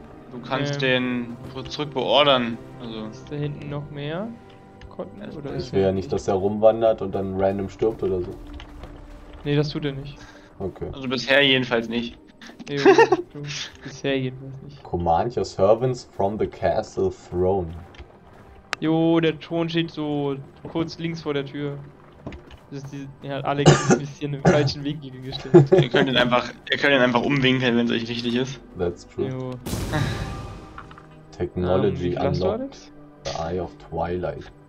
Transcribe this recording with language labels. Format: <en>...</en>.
<de>Du kannst den zurück beordern. Also. Ist da hinten noch mehr Cotton oder ich ist will er ja nicht, nicht? dass er rumwandert und dann random stirbt oder so. Nee, das tut er nicht. Okay. Also bisher jedenfalls nicht. Jo, du. Bisher jedenfalls nicht.</de> <en>Command your servants from the castle throne.</en> <de>Jo, der Thron steht so kurz links vor der Tür. Das ist die, ja, Alex ist ein bisschen im falschen Winkel gestellt. Ihr könnt ihn einfach umwinkeln, wenn es euch wichtig ist.</de> <en>That's true.</en> <de>Jo.</de> <en>Technology</en> <de>Wie viel hast du,</de> <en>unlocked.</en> <de>Alex?</de> <en>The Eye of Twilight.</en>